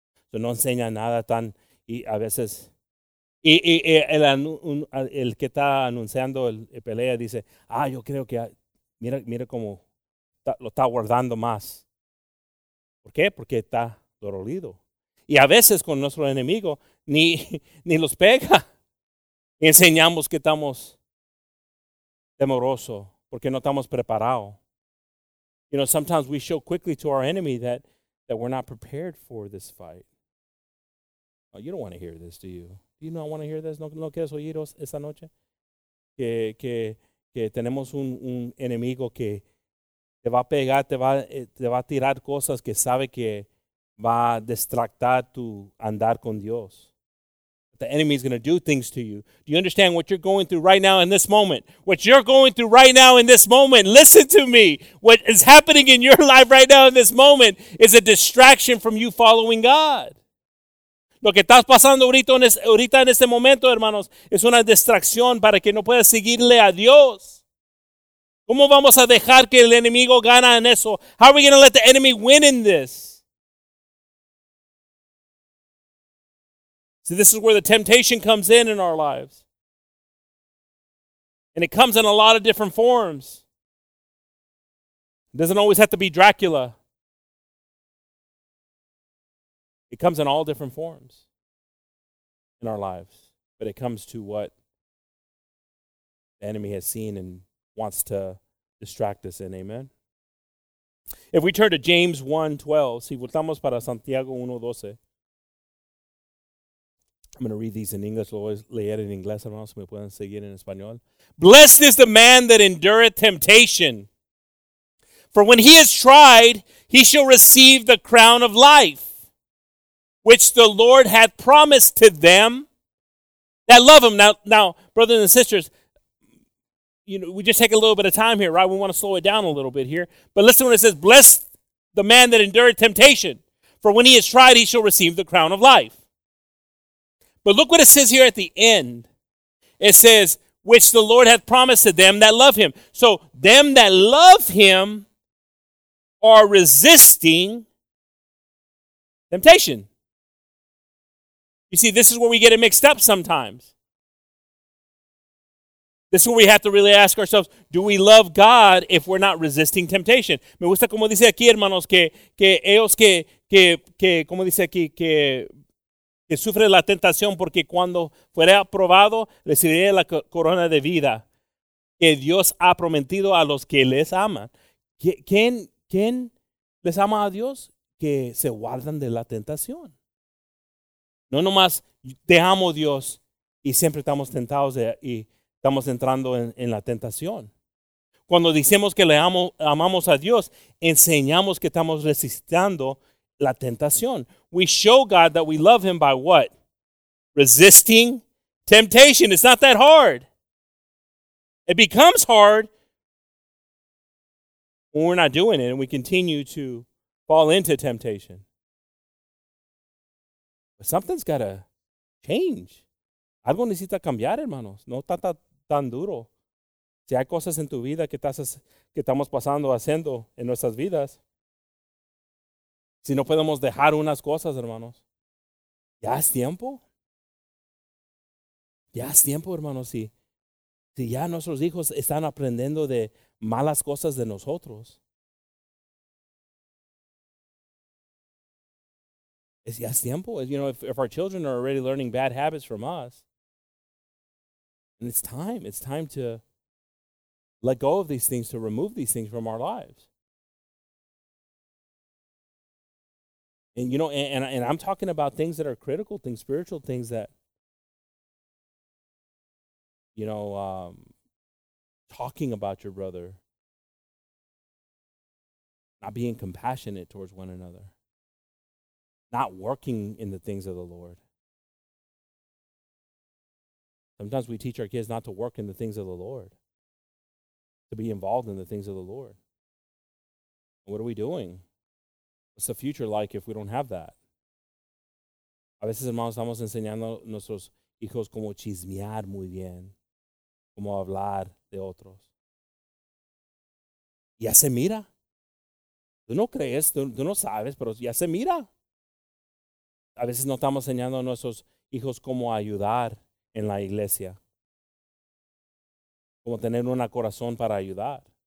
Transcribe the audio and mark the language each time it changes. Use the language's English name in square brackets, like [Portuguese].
[Spanish] So no enseña nada tan, y a veces, el que está anunciando el pelea dice, ah, yo creo que, mira cómo lo está guardando más. ¿Por qué? Porque está dolorido. Y a veces con nuestro enemigo ni los pega. Y enseñamos que estamos temeroso porque no estamos preparado. [English] You know, sometimes we show quickly to our enemy that we're not prepared for this fight. Oh, you don't want to hear this, do you? Do you not want to hear this? [Spanish] ¿No quieres oír esta noche? Que tenemos un enemigo que te va a pegar, te va a tirar cosas que sabe que va a distractar tu andar con Dios. [English] The enemy is going to do things to you. Do you understand what you're going through right now in this moment? What you're going through right now in this moment, listen to me. What is happening in your life right now in this moment is a distraction from you following God. [Spanish] Lo que estás pasando ahorita en este momento, hermanos, es una distracción para que no puedas seguirle a Dios. ¿Cómo vamos a dejar que el enemigo gane en eso? [English] How are we going to let the enemy win in this? See, this is where the temptation comes in our lives. And it comes in a lot of different forms. It doesn't always have to be Dracula. It comes in all different forms in our lives. But it comes to what the enemy has seen and wants to distract us in, amen? If we turn to James 1:12, [Spanish] si voltamos para Santiago 1:12, [English] I'm going to read these in English. I'll always [Spanish] leer en inglés, hermanos, si me pueden seguir en español. [English] Blessed is the man that endureth temptation. For when he is tried, he shall receive the crown of life, which the Lord hath promised to them that love him. Now, brothers and sisters, you know, we just take a little bit of time here, right? We want to slow it down a little bit here. But listen when it says, "Bless the man that endured temptation, for when he is tried, he shall receive the crown of life." But look what it says here at the end. It says, "Which the Lord hath promised to them that love him." So them that love him are resisting temptation. You see, this is where we get it mixed up sometimes. This is where we have to really ask ourselves, do we love God if we're not resisting temptation? [Spanish] Me gusta como dice aquí, hermanos, que ellos que como dice aquí, que sufre la tentación porque cuando fuere aprobado, recibiré la corona de vida que Dios ha prometido a los que les aman. ¿Quién les ama a Dios? Que se guardan de la tentación. No nomás, te amo Dios y siempre estamos tentados y estamos entrando en la tentación. Cuando decimos que amamos a Dios, enseñamos que estamos resistiendo la tentación. [English] We show God that we love him by what? Resisting temptation. It's not that hard. It becomes hard when we're not doing it and we continue to fall into temptation. But something's got to change. [Spanish] Algo necesita cambiar, hermanos. No está tan duro. Si hay cosas en tu vida que estamos pasando, haciendo en nuestras vidas, si no podemos dejar unas cosas, hermanos, ya es tiempo. Ya es tiempo, hermanos. Si ya nuestros hijos están aprendiendo de malas cosas de nosotros, es ya es tiempo. [English] You know, if our children are already learning bad habits from us, then it's time. It's time to let go of these things, to remove these things from our lives. And you know, and I'm talking about things that are critical, things, spiritual things that, you know, talking about your brother, not being compassionate towards one another, not working in the things of the Lord. Sometimes we teach our kids not to work in the things of the Lord, to be involved in the things of the Lord. What are we doing? What's the future like if we don't have that? [Spanish] A veces, hermanos, estamos enseñando a nuestros hijos cómo chismear muy bien, cómo hablar de otros. Ya se mira. Tú no crees, tú no sabes, pero ya se mira. A veces no estamos enseñando a nuestros hijos cómo ayudar en la iglesia, cómo tener un corazón para ayudar.